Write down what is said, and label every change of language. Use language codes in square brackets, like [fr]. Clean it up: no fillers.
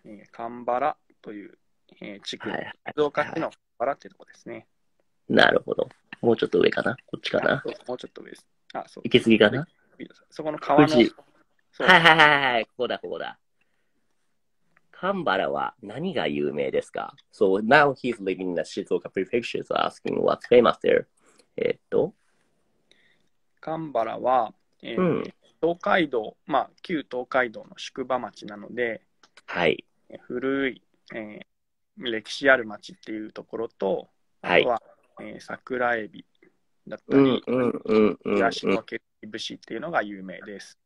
[ja] かんばらという、地区、はいはい、静岡市のかんばらっていうとこですね。なるほど。もうちょっと上かな？こっちかな？もうちょっと上です。あ、そう。行き過ぎかな？そこの川の。はいはいはいはい、ここだ、ここだ。神原は何が有名ですか？ [en] So now he's living in the Shizuoka Prefecture, so asking what's famous there. [ja] 神原は、東海道、まあ、旧東海道の宿場町なので、はい、古い、歴史ある町っていうところと、はい、あとは、桜エビだったり、東の毛節っていうのが有名です。